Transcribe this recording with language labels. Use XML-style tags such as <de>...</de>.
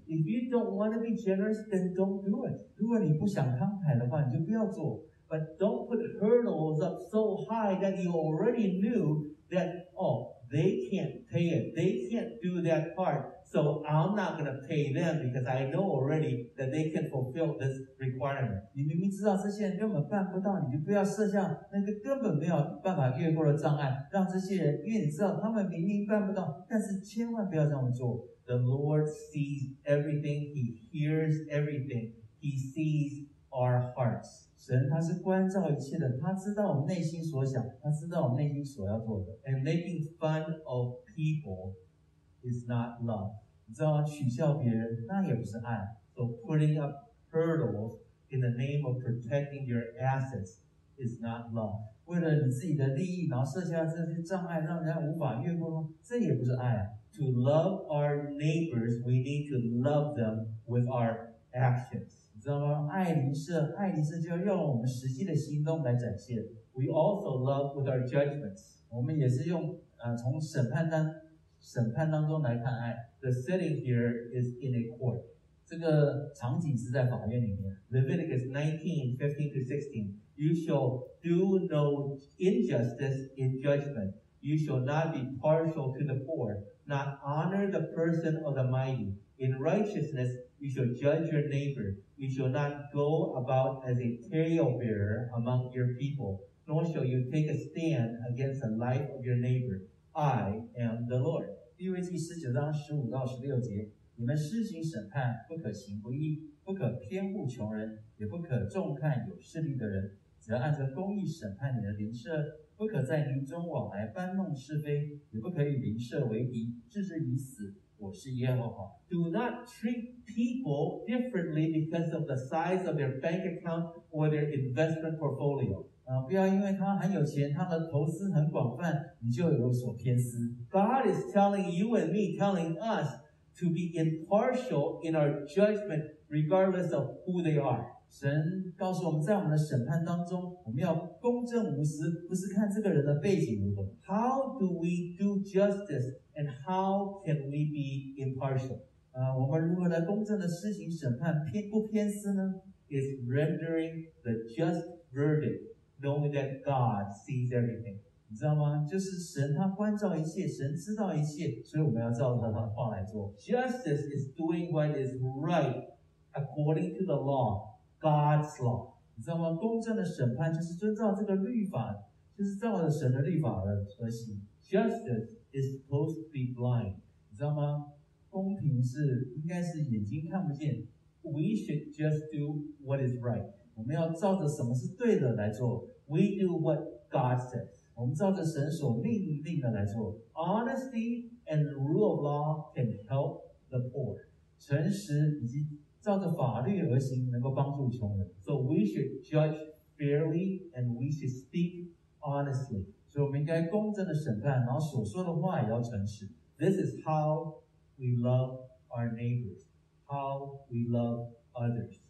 <en>If you don't want to be generous, then don't do it.</en> <zh>如果你不想慷慨的话，你就不要做。</zh> <en>But don't put hurdles up so high that you already knew that, oh, they can't pay it, they can't do that part. So I'm not going to pay them because I know already that they can fulfill this requirement.</en> <zh>你明明知道这些人根本办不到，你就不要设下那个根本没有办法越过的障碍，让这些人，因为你知道他们明明办不到，但是千万不要这么做。</zh> <en>The Lord sees everything, He hears everything, He sees our hearts.</en> <zh>神他是观照一切的，他知道我们内心所想，他知道我们内心所要做的。</zh> <en>And making fun of people. Is not love.</en> <zh>你知道吗？取笑别人那也不是爱。</zh> <en>So putting up hurdles in the name of protecting your assets is not love.</en> <zh>为了你自己的利益，然后设下这些障碍，让人家无法越过，这也不是爱啊。</zh> <en>To love our neighbors, we need to love them with our actions.</en> <zh>你知道吗？爱邻舍就要用我们实际的行动来展现。</zh> <en>We also love with our judgments.</en> <zh>我们也是用从审判单。审判当中来看爱</zh> <en>The setting here is in a court.</en> <zh>这个场景是在法院里面。</zh> <en>Leviticus 19:15-16, you shall do no injustice in judgment. You shall not be partial to the poor, not honor the person of the mighty. In righteousness, you shall judge your neighbor. You shall not go about as a talebearer among your people, nor shall you take a stand against the life of your neighbor. I am the Lord.</en> <zh>利未记十九章十五到十六节，你们施行审判，不可行不义，不可偏护穷人，也不可重看有势力的人。只要按着公义审判你的邻舍，不可在邻中往来搬弄是非，也不可与邻舍为敌，置之以死。我是耶和华。</zh> <en>Do not treat people differently because of the size of their bank account or their investment portfolio.</en> <zh>不要因为他很有钱，他的投资很广泛，你就有所偏私。</zh> <en>God is telling you and me, telling us to be impartial in our judgment, regardless of who they are.</en> <zh>神告诉我们，在我们的审判当中，我们要公正无私，不是看这个人的背景如何。</zh> <en>How do we do justice, and how can we be impartial?</en> <zh>我们如何来公正的施行审判，不偏私呢</zh> <en>？Is rendering the just verdict. Knowing that God sees everything.</en> <zh>你知道吗？就是神他观照一切，神知道一切，所以我们要照着他的话来做。</zh> <en>Justice is doing what is right according to the law, God's law.</en> <zh>你知道吗？公正的审判就是遵照这个律法，就是照着神的律法而行。</zh> <en>Justice is supposed to be blind.</en> <zh>你知道吗？公平是应该是眼睛看不见。</zh> <en>We should just do what is right.</en> <zh>我们要照着什么是对的来做。</zh> <en>We do what God says.</en> <zh>我们照着神所命令的来做。</zh> <en>Honesty and rule of law can help the poor.</en> <zh>诚实以及照着法律而行能够帮助穷人。</zh> <en>So we should judge fairly and we should speak honestly.</en> <zh>所以我们应该公正的审判，然后所说的话也要诚实。</zh> <en>This is how we love our neighbors, how we love others.</en>